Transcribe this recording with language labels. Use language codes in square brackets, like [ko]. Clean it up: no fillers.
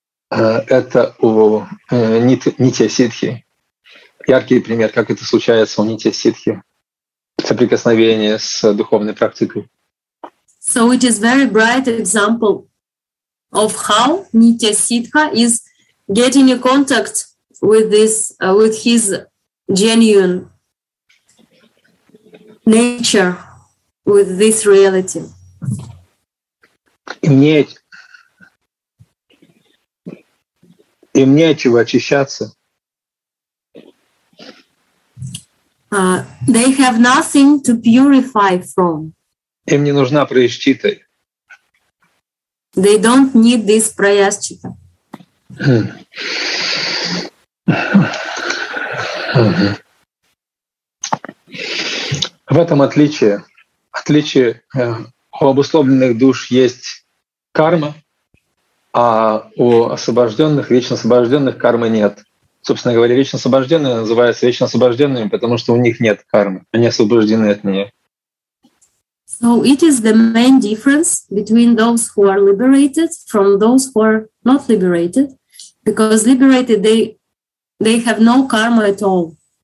[ru] Это у нити ситхи. Яркий пример, как это случается у нити ситхи. Соприкосновение с духовной практикой. [en] So it is very bright example of how nitya sitha is getting in contact with this, with his genuine nature, with this reality. [ru] Нет. И мне от чего очищаться? [en] They have nothing to purify from. [ru] Им не нужна прайасчита. [en] They don't need this прайасчита. [ru] В этом отличие. Отличие у обусловленных душ есть карма, а у освобожденных, вечно освобожденных кармы нет. Собственно говоря, вечно освобожденные называются вечно освобожденными, потому что у них нет кармы. Они освобождены от нее. [en] So it is the main difference between those who are liberated from those who are not liberated, because liberated they have no karma at all.